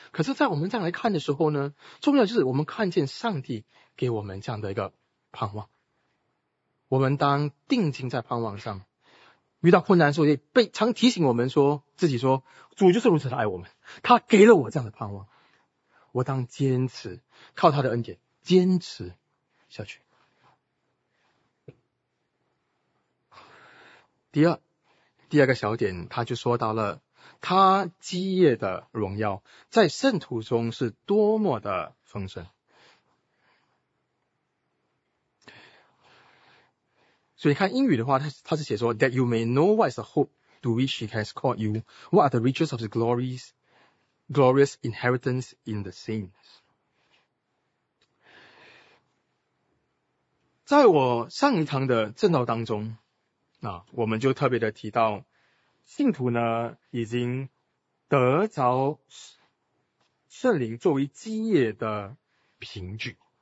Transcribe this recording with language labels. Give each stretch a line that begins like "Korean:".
Chinese: 可是在我们这样来看的时候呢，重要就是我们看见上帝给我们这样的一个盼望，我们当定睛在盼望上，遇到困难的时候也被常提醒我们说，自己说，主就是如此的爱我们，他给了我这样的盼望，我当坚持靠他的恩典坚持下去。第二个小点，他就说到了他基业的荣耀在圣徒中是多么的丰盛。所以看英语的话，他是写说
English: That you may know what is the hope to which he has called you, what are the riches of the glorious inheritance in the saints。
Chinese: 在我上一堂的正道当中，我们就特别的提到信徒呢已经得着圣灵作为基业的凭据。